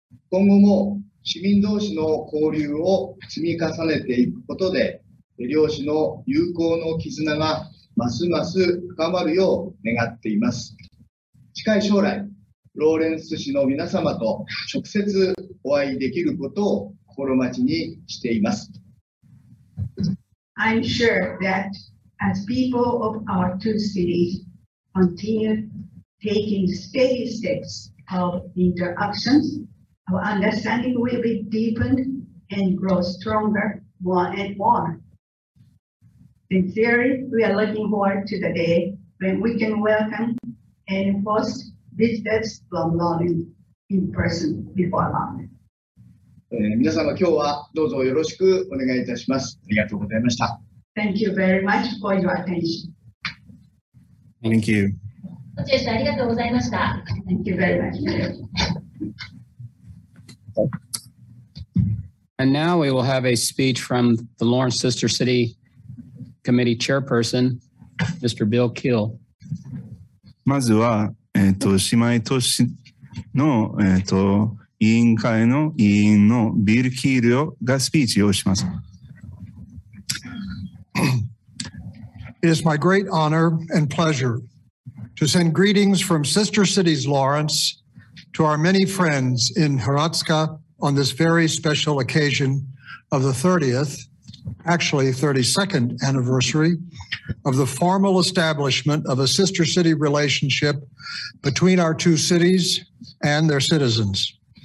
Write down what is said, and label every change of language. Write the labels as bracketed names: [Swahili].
[Japanese] 今後も市民同士の交流を積み重ねていくことで、両市の友好の絆がますます深まるよう願っています。近い将来、ローレンス市の皆様と直接お会いできることを心待ちにしています。 [English] I'm sure that as people of our two cities continue taking steady steps of interactions, our understanding will be deepened and grow stronger more and more. Sincerely, we are looking forward to the day when we can welcome and host visitors from London in person before long. [Japanese] 皆様今日はどうぞよろしくお願いいたします。ありがとうございました。 [English] Thank you very much for your attention. Thank you. [Japanese] ありがとうございました。 [English] Thank you very much. And now we will have a speech from the Lawrence Sister City Committee Chairperson, Mr. Bill Keel. [Japanese] まずは、姉妹都市の、委員会の委員のビル・キールがスピーチをします。 [English] It is my great honor and pleasure to send greetings from Sister Cities Lawrence to our many friends in Hrvatska on this very special occasion of the 30th, actually 32nd anniversary of the formal establishment of a sister city relationship between our two cities and their citizens.